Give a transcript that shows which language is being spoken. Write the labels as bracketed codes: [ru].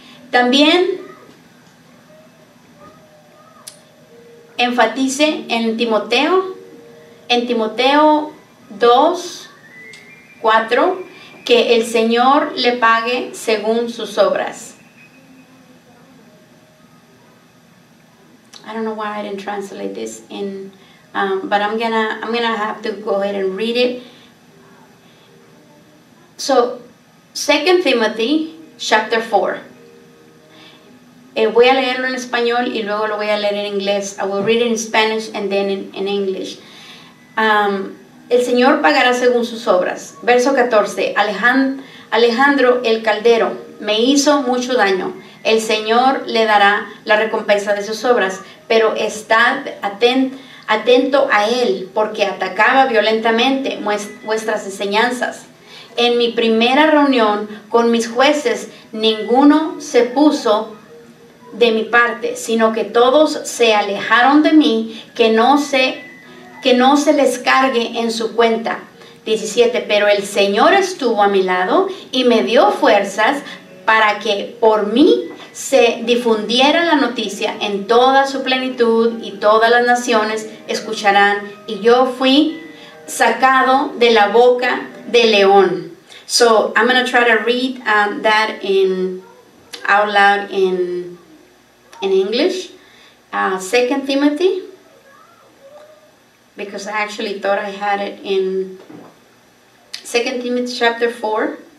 [es] También enfatice en Timoteo 2, 4, que el Señor le pague según sus obras. [en] I don't know why I didn't translate this in, but I'm gonna have to go ahead and read it. So, 2 Timothy chapter 4. [es] Voy a leerlo en español y luego lo voy a leer en inglés. [en] I will read it in Spanish and then in English. [es] El Señor pagará según sus obras. Verso 14. Alejandro el Caldero me hizo mucho daño. El Señor le dará la recompensa de sus obras, pero estad atento a él, porque atacaba violentamente vuestras enseñanzas. En mi primera reunión con mis jueces, ninguno se puso de mi parte, sino que todos se alejaron de mí, que no se les cargue en su cuenta. 17. Pero el Señor estuvo a mi lado y me dio fuerzas para que por mí se difundiera la noticia en toda su plenitud y todas las naciones escucharán. Y yo fui sacado de la boca de león. [en] So I'm going to try to read that out loud in English. 2 Timothy, because I actually thought I had it in 2 Timothy chapter 4.